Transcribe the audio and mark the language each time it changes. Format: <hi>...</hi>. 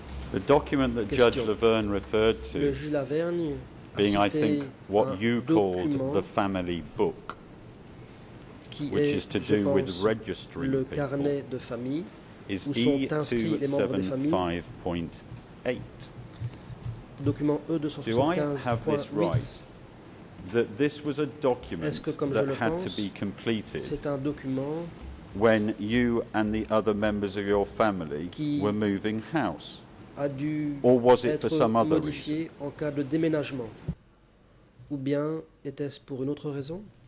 <en>The document that Judge Laverne referred to being, I think, what you called the family book.</en> <fr>qui est, je pense, le carnet de famille où sont inscrits les membres des familles.</fr> <en>Document E275.8. That this was a document that had to be completed</en> <fr>c'est un document</fr> <en>when you and the other members of your family were moving house?</en> <fr>A dû</fr> <en>or was it for some other reason?</en> <fr>En cas de déménagement. Ou bien était-ce pour une autre raison?</fr>